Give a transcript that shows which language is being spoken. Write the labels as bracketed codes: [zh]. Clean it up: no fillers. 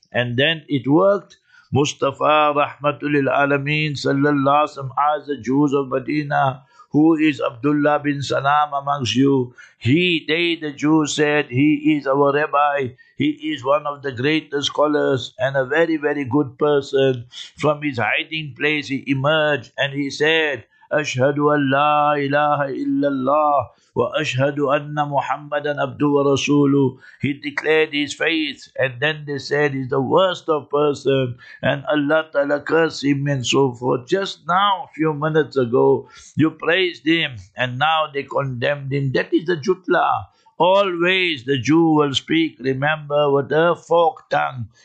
[en] And then it worked. Mustafa Rahmatulil Alameen Sallallahu Alaihi Wasallam asked the Jews of Medina, who is Abdullah bin Salam amongst you? The Jews said, he is our rabbi. He is one of the greatest scholars and a very, very good person. From his hiding place, he emerged and he said, [ar] أشهد أن لا إله إلا الله وأشهد أن محمدا عبده ورسوله. [en] He declared his faith and then they said he's the worst of person and Allah Ta'ala cursed him and so forth. Just now, a few minutes ago, you praised him and now they condemned him. That is the jutla. Always the Jew will speak, remember, with a forked tongue.